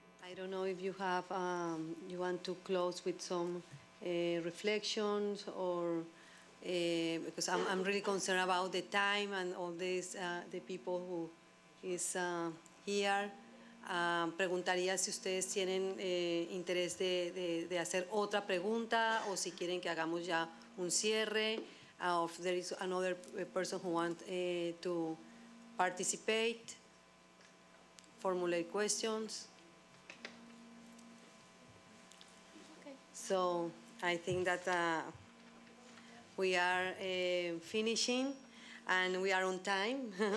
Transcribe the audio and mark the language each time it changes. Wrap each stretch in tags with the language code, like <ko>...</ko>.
<en>I don't know if you have, you want to close with some reflections or because I'm really concerned about the time and all this, the people who is here.</en> <es>Preguntaría si ustedes tienen interés de hacer otra pregunta o si quieren que hagamos ya un cierre.</es> <en>If there is another person who wants to participate, formulate questions. Okay. So I think that we are finishing, and we are on time.</en>